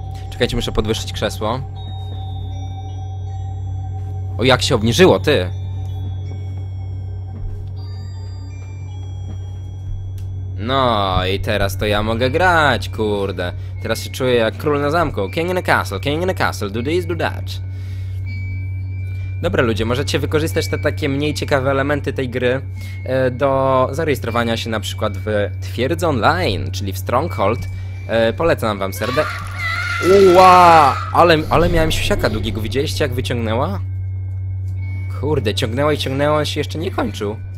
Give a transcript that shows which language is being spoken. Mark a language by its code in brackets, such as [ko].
[pl] Czekajcie, muszę podwyższyć krzesło. O, jak się obniżyło, ty! No i teraz to ja mogę grać, kurde. Teraz się czuję jak król na zamku. [en] King in the castle, king in the castle, do this, do that. [pl] Dobra ludzie, możecie wykorzystać te takie mniej ciekawe elementy tej gry do zarejestrowania się na przykład w Twierdzę Online, czyli w Stronghold. Polecam wam serdecznie. Uła! Ale miałem siusiaka długiego, widzieliście jak wyciągnęła? Kurde, ciągnęła i ciągnęła, on się jeszcze nie kończył.